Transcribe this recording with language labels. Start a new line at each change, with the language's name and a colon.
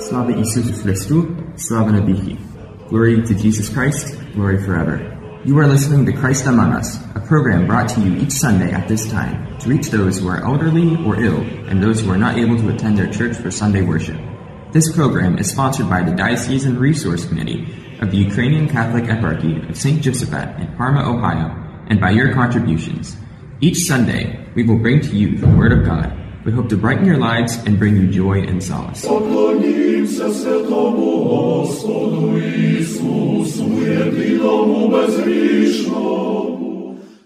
Ukrainian: Слава Ісусу Христу, слава Небіхі.
English: Glory to Jesus Christ, glory forever. You are listening to Christ Among Us, a program brought to you each Sunday at this time to reach those who are elderly or ill and those who are not able to attend their church for Sunday worship. This program is sponsored by the Diocesan Resource Committee of the Ukrainian Catholic Eparchy of St. Josephat in Parma, Ohio, and by your contributions. Each Sunday, we will bring to you the Word of God. We hope to brighten your lives and bring you joy and solace.
Ukrainian: Поклонімся святому Господу Ісусу, єдиному безгрішному.